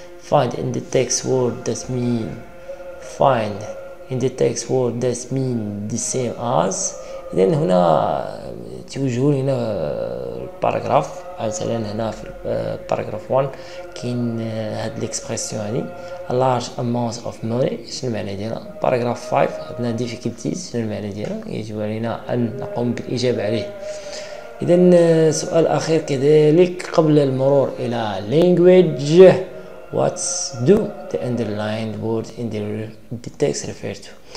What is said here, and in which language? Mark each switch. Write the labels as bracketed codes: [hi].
[en] Find in the text word that mean. Find in the text word that mean the same as. [ar] إذن هنا توجهون هنا الباراغراف. مثلا هنا في الباراغراف 1 كاين هاد الاكسبرسيون هادي [en] a large amount of money. [ar] شنو المعنى ديالها؟ باراغراف 5 عندنا difficulties. شنو المعنى ديالها؟ يجب علينا ان نقوم بالاجابه عليه. اذا سؤال اخير كذلك، قبل المرور الى language، [en] what do the underlined words in the text refer to.